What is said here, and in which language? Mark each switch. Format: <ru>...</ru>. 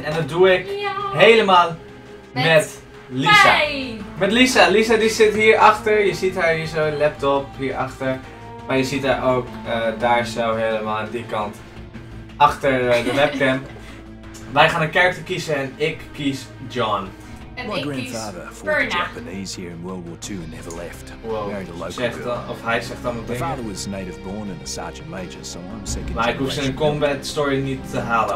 <nl>En dat doe ik helemaal met Lisa. Met Lisa. Lisa die zit hier achter. Je ziet haar hier zo, laptop hier achter. Maar je ziet haar ook daar zo helemaal aan die kant. Achter de webcam. Wij gaan een character kiezen en ik kies John.</nl> <en>My grandfather fought the Japanese here in World War II and never left. Wow. Married a local girl.</en> <nl>Of hij zegt dan</nl> <en>my father was native born and a sergeant major, so I'm second.</en> <nl>Maar ik hoef zijn combat story niet te halen.</nl>